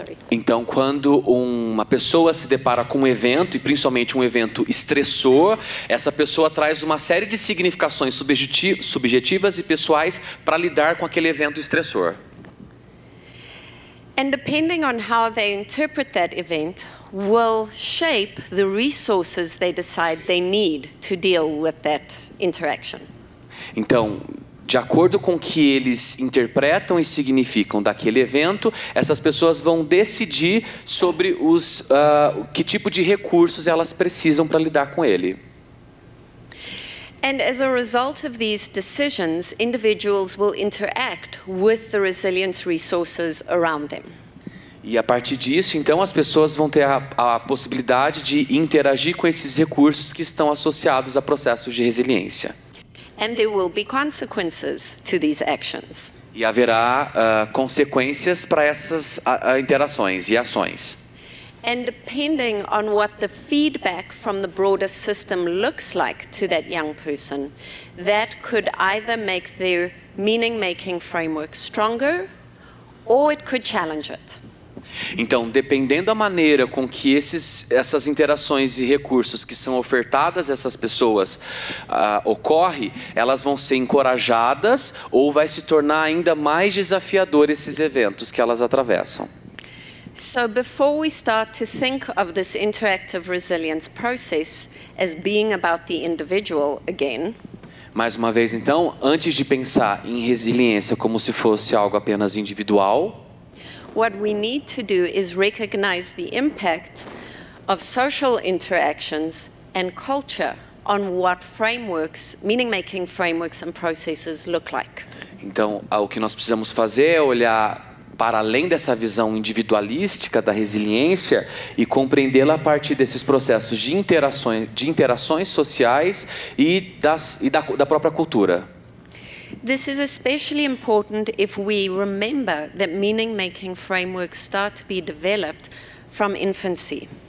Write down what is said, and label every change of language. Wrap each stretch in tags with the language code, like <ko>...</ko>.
<pt>Então, quando uma pessoa se depara com um evento, e principalmente um evento estressor, essa pessoa traz uma série de significações subjetivas e pessoais para lidar com aquele evento estressor.</pt> <en>And depending on how they interpret that event, will shape the resources they decide they need to deal with that interaction.</en> <pt>Então, de acordo com o que eles interpretam e significam daquele evento, essas pessoas vão decidir sobre que tipo de recursos elas precisam para lidar com ele.</pt> <en>And as a result of these decisions, individuals will interact with the resilience resources around them.</en> <pt>E a partir disso, então, as pessoas vão ter a possibilidade de interagir com esses recursos que estão associados a processos de resiliência.</pt> <en>And there will be consequences to these actions.</en> <pt>E haverá consequências para essas interações e ações.</pt> <en>And depending on what the feedback from the broader system looks like to that young person, that could either make their meaning-making framework stronger, or it could challenge it.</en> <pt>Então, dependendo da maneira com que essas interações e recursos que são ofertadas a essas pessoas ocorrem, elas vão ser encorajadas ou vai se tornar ainda mais desafiador esses eventos que elas atravessam.</pt> <en>So before we start to think of this interactive resilience process as being about the individual again.</en> <pt>Mais uma vez então, antes de pensar em resiliência como se fosse algo apenas individual,</pt> <en>what we need to do is recognize the impact of social interactions and culture on what frameworks, meaning-making frameworks and processes look like.</en> <pt>Então, o que nós precisamos fazer é olhar para além dessa visão individualística da resiliência e compreendê-la a partir desses processos de interações sociais e da própria cultura.</pt> <en>This is especially important if we remember that meaning-making frameworks start to be developed from infancy.</en>